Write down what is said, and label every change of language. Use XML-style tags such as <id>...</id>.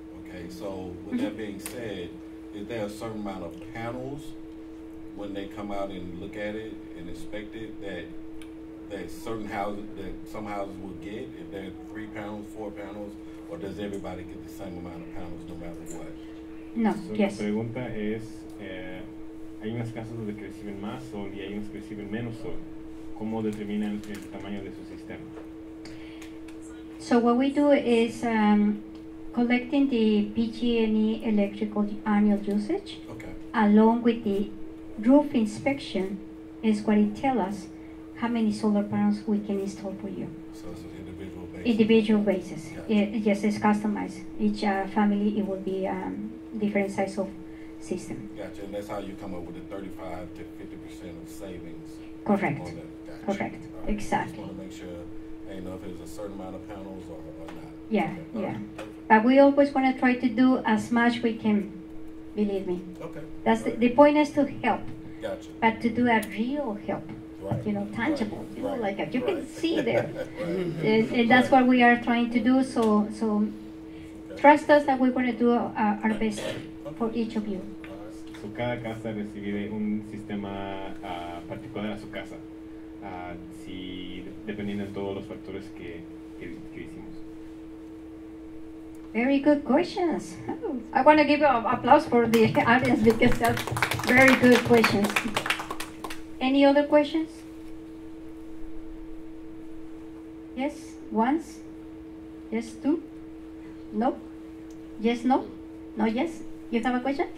<en>Okay, so with that being said, is there a certain amount of panels when they come out and look at it and inspect it that some houses will get? If they're 3 panels, 4 panels, or does everybody get the same amount of panels no matter what? No, so yes.</en> <es>La pregunta es, hay unas casas donde reciben más sol y hay unas que reciben menos sol. ¿Cómo determinan el tamaño de su sistema?</es> <en>So what we do is collecting the PG&E electrical annual usage. Okay. Along with the roof inspection is what it tells us how many solar panels we can install for you. So it's an individual basis? Individual basis. Yeah. Yes, it's customized. Each family, it will be different size of system. Gotcha, and that's how you come up with the 35% to 50% of savings. Correct. On that. Gotcha. Correct. Right. Exactly. Just want to make sure, you know, if there's a certain amount of panels or not. Yeah. Okay. But we always want to try to do as much we can. Believe me. Okay. That's right. The point is to help. Gotcha. But to do a real help. Right. You know, tangible. Right. You know, like that. You right. can see there. Right. And that's right. what we are trying to do. So, okay. Trust us that we're going to do our best. For each of you.</en> <es>So cada casa recibe un sistema particular a su casa, si dependiendo de todos los factores que hicimos.</es> <en>Very good questions. Oh, I want to give an applause for the audience because that's very good questions. Any other questions? Yes? Once? Yes? Two? No? Yes? No? No? Yes? You have a question?</en>